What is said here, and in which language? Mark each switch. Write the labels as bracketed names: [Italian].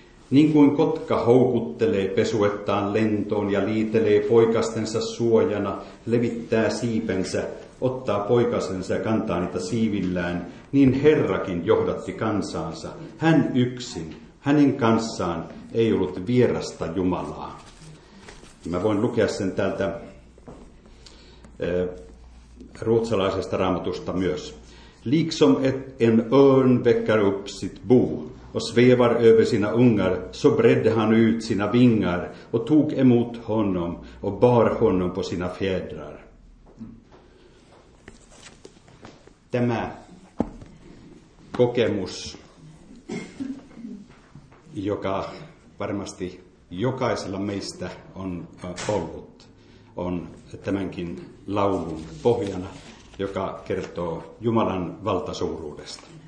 [Finnish] Niin kuin kotka houkuttelee pesuettaan lentoon ja liitelee poikastensa suojana, levittää siipensä, ottaa poikasensa ja kantaa niitä siivillään, niin Herrakin johdatti kansaansa, hän yksin, hänen kanssaan, ei ollut vierasta Jumalaa. Mä voin lukea sen täältä ruotsalaisesta raamatusta myös. [Swedish] Liksom ett en örn väcker upp sitt bo och svevar över sina ungar, så bredde han ut sina vingar och tog emot honom och bar honom på sina fjädrar. [Finnish] Tämä kokemus, joka varmasti jokaisella meistä on ollut, on tämänkin laulun pohjana, joka kertoo Jumalan valtasuuruudesta.